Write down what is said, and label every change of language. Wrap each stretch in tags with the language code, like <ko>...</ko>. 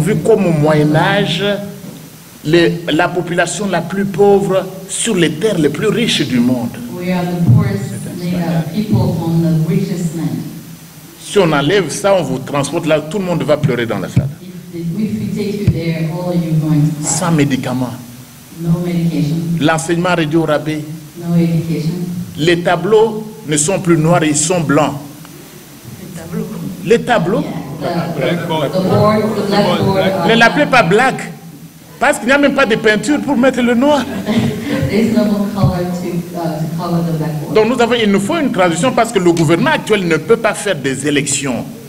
<fr>vit comme au Moyen-Âge la population la plus pauvre sur les terres les plus riches du monde.</fr> <en>We are the poorest people from the richest land.</en> <fr>Si on enlève ça, on vous transporte là, tout le monde va pleurer dans la salle.</fr> <en>If we take you there, all are you going to cry?</en> <fr>Sans médicaments.</fr> <en>No medication.</en> <fr>L'enseignement réduit au rabais.</fr> <en>No education.</en> <fr>Les tableaux ne sont plus noirs, ils sont blancs. Les tableaux. Ne l'appelez pas black, parce qu'il n'y a même pas de peinture pour mettre le noir.</fr> <en>There's no more color to color the blackboard.</en> <fr>Donc il nous faut une transition parce que le gouvernement actuel ne peut pas faire des élections.</fr>